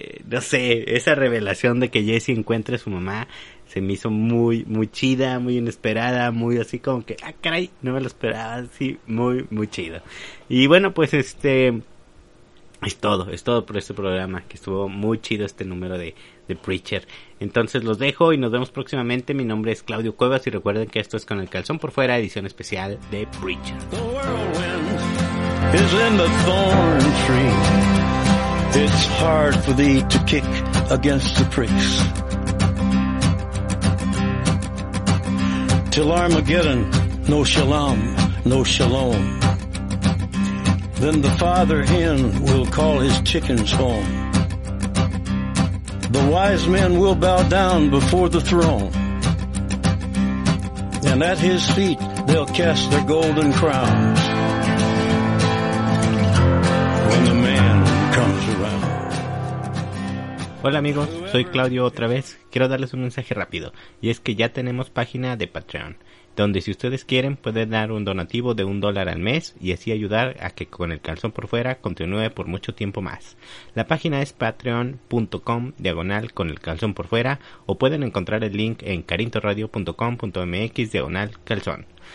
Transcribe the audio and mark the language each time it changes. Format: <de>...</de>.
<es>Esa revelación de que Jesse encuentre a su mamá se me hizo muy, muy chida, muy inesperada, muy así como que, ah, caray, no me lo esperaba, sí, muy, muy chido. Y bueno, pues Es todo por este programa, que estuvo muy chido este número de Preacher. Entonces los dejo y nos vemos próximamente. Mi nombre es Claudio Cuevas y recuerden que esto es Con el Calzón por Fuera, edición especial de Preacher.</es> <en>The whirlwind is in the thorn tree. It's hard for thee to kick against the pricks. Till Armageddon, no shalom, no shalom. Then the father hen will call his chickens home. The wise men will bow down before the throne. And at his feet they'll cast their golden crowns. When the man comes around.</en> <es>Hola amigos, soy Claudio otra vez. Quiero darles un mensaje rápido. Y es que ya tenemos página de Patreon, donde si ustedes quieren pueden dar un donativo de $1 al mes y así ayudar a que Con el Calzón por Fuera continúe por mucho tiempo más. La página es patreon.com/conelcalzonporfuera o pueden encontrar el link en carintoradio.com.mx/calzón.</es>